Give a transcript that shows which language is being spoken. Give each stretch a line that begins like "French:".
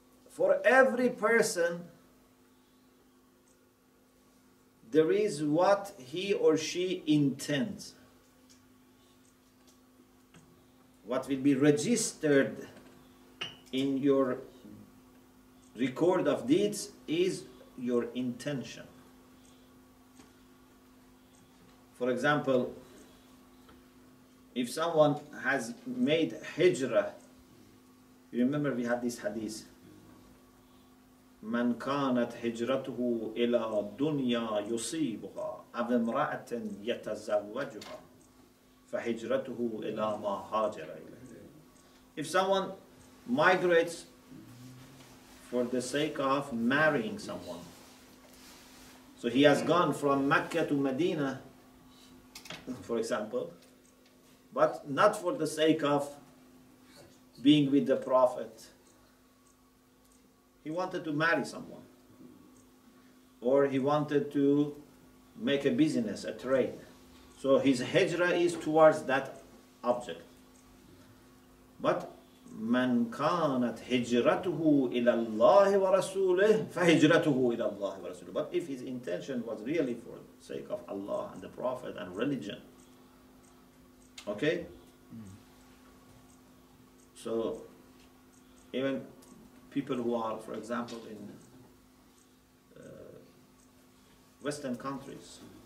English: For every person, there is what he or she intends. What will be registered in your record of deeds is your intention. For example, if someone has made hijrah, you remember we had this hadith,
Arabic: من كانت هجرته إلى دنيا يصيبها أو امرأة يتزوجها فهجرته إلى ما هاجر إليه.
English: If someone migrates for the sake of marrying someone, so he has gone from Mecca to Medina, for example, but not for the sake of being with the Prophet. He wanted to marry someone, or he wanted to make a business, a trade. So his hijrah is towards that object. But
Arabic: من كانت هجرته إلى الله ورسوله فهجرته إلى الله ورسوله.
English: But if his intention was really for the sake of Allah and the Prophet and religion, okay? So even people who are, for example, in Western countries,